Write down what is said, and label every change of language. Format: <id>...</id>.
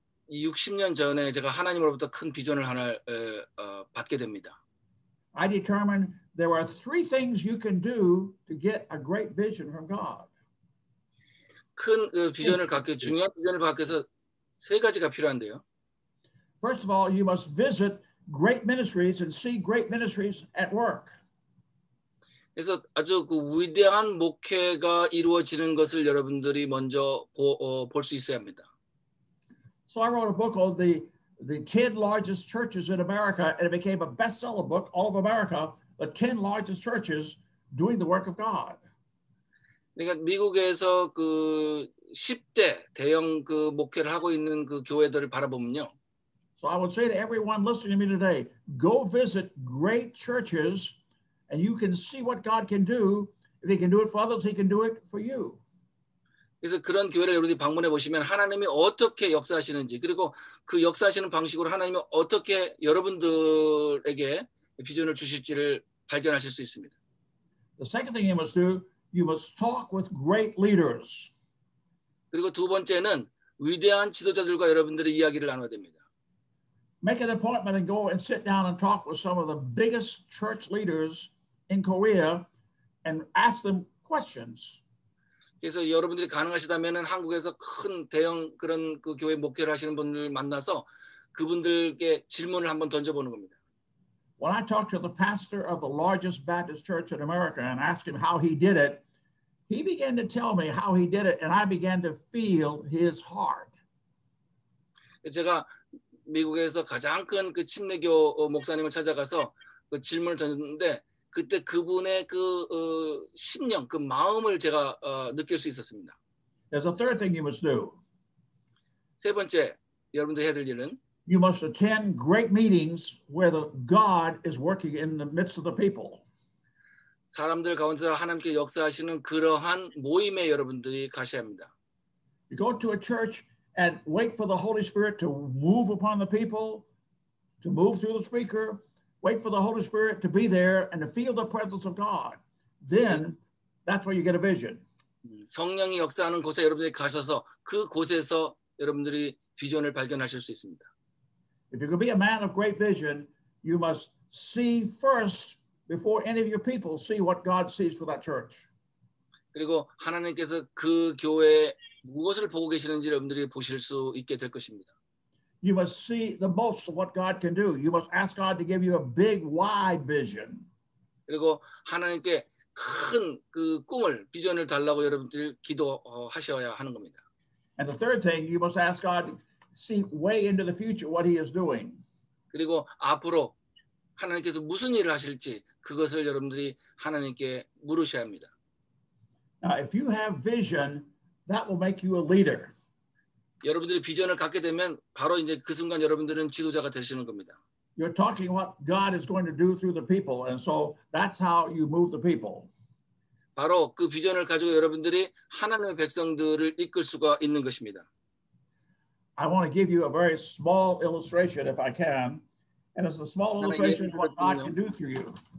<ko>60년 전에 제가 하나님으로부터 큰 비전을 하나 받게 됩니다.</ko> <en>I determined there are three things you can do to get a great vision from God.</en> <ko>큰 비전을 갖게 중요한 비전을 갖게 해서 세 가지가 필요한데요.</ko> <en>First of all, you must visit great ministries and see great ministries at work.</en> <ko>그래서 아주 그 위대한 목회가 이루어지는 것을 여러분들이 먼저 볼 수 있어야 합니다.</ko> <en>So I wrote a book on the 10 largest churches in America, and it became a bestseller book all of America, the 10 largest churches doing the work of God.</en> <ko>그러니까 미국에서 그 10대 대형 그 목회를 하고 있는 그 교회들을 바라보면요.</ko> <en>So I would say to everyone listening to me today, go visit great churches, and you can see what God can do. If he can do it for others, he can do it for you.</en> <ko>그래서 그런 교회를 여러분이 방문해 보시면 하나님이 어떻게 역사하시는지 그리고 그 역사하시는 방식으로 하나님이 어떻게 여러분들에게 비전을 주실지를 발견하실 수 있습니다.</ko> <en>The second thing you must do, you must talk with great leaders.</en> <ko>그리고 두 번째는 위대한 지도자들과 여러분들의 이야기를 나눠야 됩니다.</ko> <en>Make an appointment and go and sit down and talk with some of the biggest church leaders in Korea and ask them questions.</en> <ko>그래서 여러분들이 가능하시다면은 한국에서 큰 대형 그런 그 교회 목회를 하시는 분들 만나서 그분들께 질문을 한번 던져보는 겁니다.</ko> <en>When I talked to the pastor of the largest Baptist church in America and asked him how he did it, he began to tell me how he did it, and I began to feel his heart.</en> <ko>제가 미국에서 가장 큰 그 침례교 목사님을 찾아가서 그 질문을 던졌는데. 그때 그분의 그 심령, 그 마음을 제가 느낄 수 있었습니다.</ko> <en>There's a third thing you must do.</en> <ko>세 번째, 여러분들 해야 될 일은</ko> <en>You must attend great meetings where the God is working in the midst of the people.</en> <ko>사람들 가운데서 하나님께 역사하시는 그러한 모임에 여러분들이 가셔야 합니다.</ko> <en>You go to a church and wait for the Holy Spirit to move upon the people, to move through the speaker. Wait for the Holy Spirit to be there and to feel the presence of God. Then that's where you get a vision.</en> <ko>성령이 역사하는 곳에 여러분들이 가셔서 그 곳에서 여러분들이 비전을 발견하실 수 있습니다.</ko> <en>If you're going to be a man of great vision, you must see first before any of your people see what God sees for that church.</en> <ko>그리고 하나님께서 그 교회에 무엇을 보고 계시는지 여러분들이 보실 수 있게 될 것입니다.</ko> <en>You must see the most of what God can do. You must ask God to give you a big, wide vision.</en> <ko>그리고 하나님께 큰 그 꿈을 비전을 달라고 여러분들 기도하셔야 하는 겁니다.</ko> <en>And the third thing, you must ask God to see way into the future what He is doing.</en> <ko>그리고 앞으로 하나님께서 무슨 일을 하실지 그것을 여러분들이 하나님께 물으셔야 합니다.</ko> <en>Now, if you have vision, that will make you a leader.</en> <ko>여러분들이 비전을 갖게 되면 바로 이제 그 순간 여러분들은 지도자가 되시는 겁니다.</ko> <en>You're talking what God is going to do through the people, and so that's how you move the people.</en> <ko>바로 그 비전을 가지고 여러분들이 하나님의 백성들을 이끌 수가 있는 것입니다.</ko> <en>I want to give you a very small illustration if I can, and it's a small illustration of what God can do through you.</en>